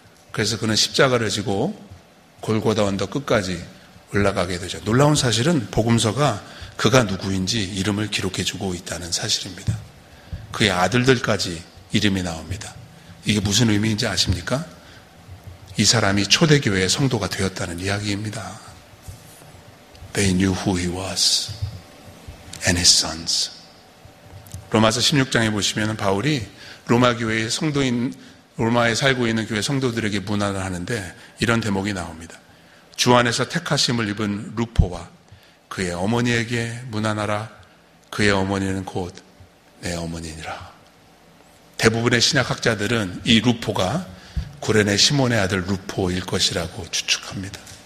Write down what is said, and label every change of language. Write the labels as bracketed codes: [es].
[ko] 그래서 그는 십자가를 지고 골고다 언덕 끝까지 올라가게 되죠. 놀라운 사실은 복음서가 그가 누구인지 이름을 기록해주고 있다는 사실입니다. 그의 아들들까지 이름이 나옵니다. 이게 무슨 의미인지 아십니까? 이 사람이 초대교회의 성도가 되었다는 이야기입니다. [en] They knew who he was and his sons. [ko] 로마서 16장에 보시면 바울이 로마 교회의 성도인 로마에 살고 있는 교회 성도들에게 문안을 하는데 이런 대목이 나옵니다. 주 안에서 택하심을 입은 루포와 그의 어머니에게 문안하라. 그의 어머니는 곧 내 어머니니라. 대부분의 신약학자들은 이 루포가 구레네 시몬의 아들 루포일 것이라고 추측합니다.